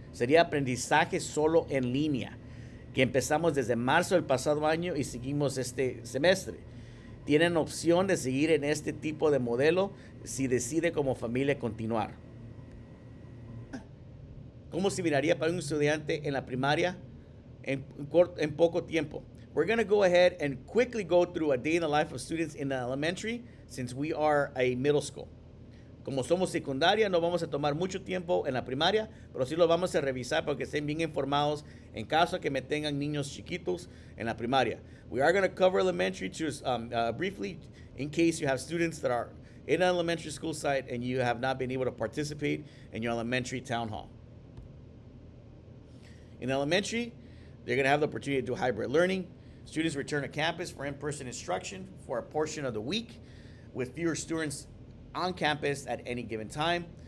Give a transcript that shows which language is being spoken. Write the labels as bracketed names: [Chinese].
[Spanish] Sería aprendizaje solo en línea, que empezamos desde marzo del pasado año y seguimos este semestre. Tienen opción de seguir en este tipo de modelo si decide como familia continuar. ¿Cómo se miraría para un estudiante en la primaria en poco tiempo? [English] We're going to go ahead and quickly go through a day in the life of students in the elementary since we are a middle school. [Spanish] Como somos secundaria, no vamos a tomar mucho tiempo en la primaria, pero sí lo vamos a revisar para que estén bien informados en caso que me tengan niños chiquitos en la primaria. [English] We are going to cover elementary briefly in case you have students that are in an elementary school site and you have not been able to participate in your elementary town hall. In elementary, they're going to have the opportunity to do hybrid learning. Students return to campus for in-person instruction for a portion of the week with fewer students on campus at any given time.